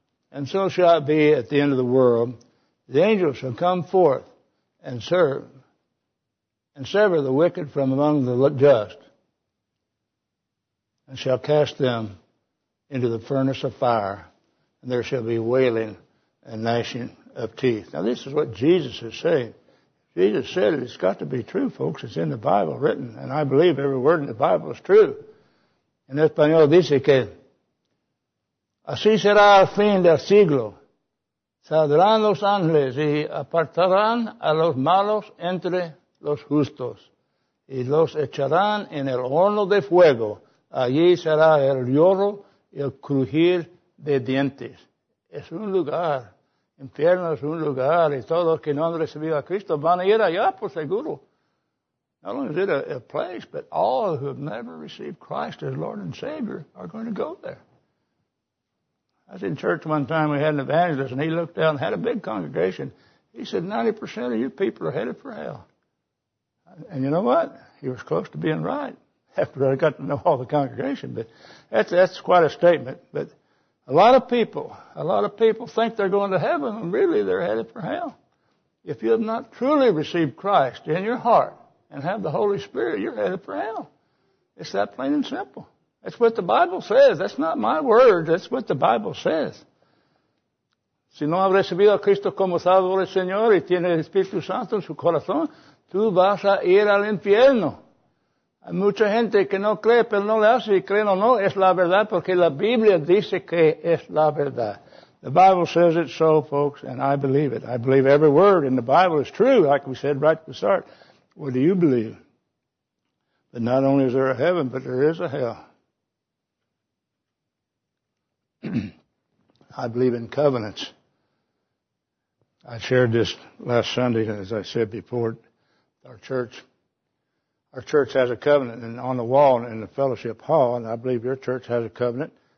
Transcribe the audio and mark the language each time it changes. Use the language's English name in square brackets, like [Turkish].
[English] and so shall it be at the end of the world. The angels shall come forth and serve, and sever the wicked from among the just, and shall cast them into the furnace of fire, and there shall be wailing and gnashing of teeth. Now this is what Jesus is saying. Jesus said it. It's got to be true, folks. It's in the Bible written, and I believe every word in the Bible is true. [Spanish] En español dice que así será el fin del siglo. Saldrán los ángeles y apartarán a los malos entre los justos y los echarán en el horno de fuego. Allí será el lloro y el crujir de dientes. Es un lugar. Infierno es un lugar y todos los que no han recibido a Cristo van a ir allá por seguro. [English] Not only is it a place, but all who have never received Christ as Lord and Savior are going to go there. I was in church one time, we had an evangelist, and he looked down and had a big congregation. He said, 90% of you people are headed for hell. And you know what? He was close to being right after I got to know all the congregation. But that's quite a statement. But a lot of people think they're going to heaven, and really they're headed for hell. If you have not truly received Christ in your heart and have the Holy Spirit, you're headed for hell. It's that plain and simple. That's what the Bible says. That's not my word. That's what the Bible says. [Spanish] Si no has recibido a Cristo como Salvador y Señor y tiene el Espíritu Santo en su corazón, tú vas a ir al infierno. Hay mucha gente que no cree, pero no le hace, y creen o no, es la verdad, porque la Biblia dice que es la verdad. [English] The Bible says it so, folks, and I believe it. I believe every word in the Bible is true, like we said right at the start. What do you believe? But not only is there a heaven, but there is a hell. I believe in covenants. I shared this last Sunday, as I said before, our church has a covenant and on the wall in the fellowship hall, and I believe your church has a covenant.